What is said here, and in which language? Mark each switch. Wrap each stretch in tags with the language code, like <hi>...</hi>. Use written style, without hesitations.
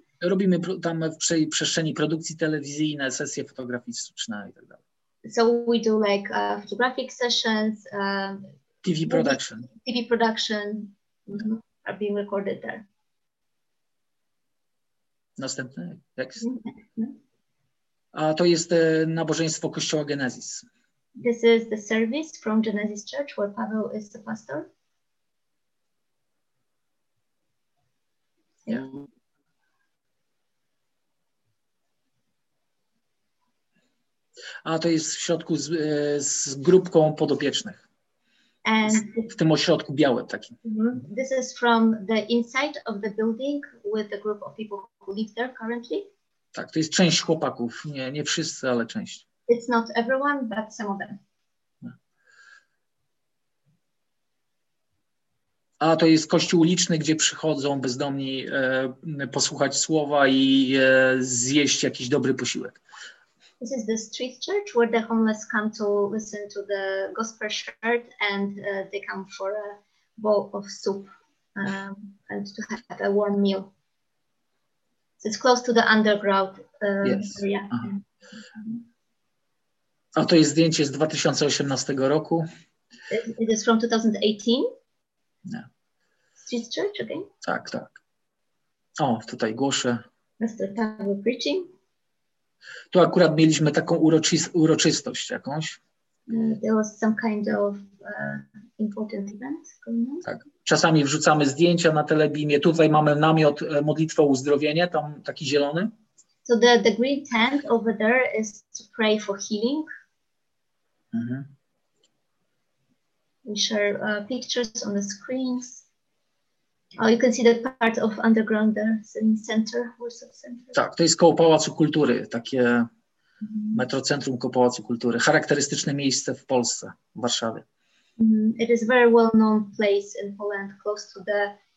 <pl>Robimy tam w przestrzeni produkcji telewizyjne, sesje fotograficzne i tak dalej.</pl> <en>So we do like photographic sessions. TV production. TV production are being recorded there.</en> <pl>Następny tekst. A to jest nabożeństwo Kościoła Genesis.</pl> <en>This is the service from Genesis Church where Pavel is the pastor.</en> <pl>Yeah. A to jest w środku z grupką podopiecznych.</pl> <en>And</en> <pl>w tym ośrodku białym takim. Mm-hmm.</pl> <en>This is from the inside of the building with a group of people who live there currently.</en> <pl>Tak, to jest część chłopaków. Nie wszyscy, ale część.</pl> <en>It's not everyone, but some of them.</en> <pl>A to jest kościół uliczny, gdzie przychodzą bezdomni posłuchać słowa i zjeść jakiś dobry posiłek.</pl> <en>This is the street church where the homeless come to listen to the gospel shared and they come for a bowl of soup and to have a warm meal. It's close to the underground area.</en> <pl>A to jest zdjęcie z 2018 roku.</pl> <en>It is from 2018?</en> <pl>Nie.</pl> <en>Street church, okay?</en> <pl>Tak, tak. O, tutaj głoszę.</pl> <en>Mr. Pavel preaching.</en> <pl>Tu akurat mieliśmy taką uroczystość jakąś.</pl> <en>There was some kind of important event going on.</en> <pl>Tak. Czasami wrzucamy zdjęcia na telebimie. Tutaj mamy namiot modlitwa o uzdrowienie, tam taki zielony.</pl> <en>So the green tent over there is to pray for healing. Mm-hmm. We share pictures on the screens. Oh, you can see the part of underground there, in center, Warsaw Center.</en> <pl>Tak, to jest koło Pałacu Kultury, takie metrocentrum koło Pałacu Kultury. Charakterystyczne miejsce w Polsce, w Warszawie. Mm-hmm.</pl> <en>It is a very well-known place in Poland, close to the</en>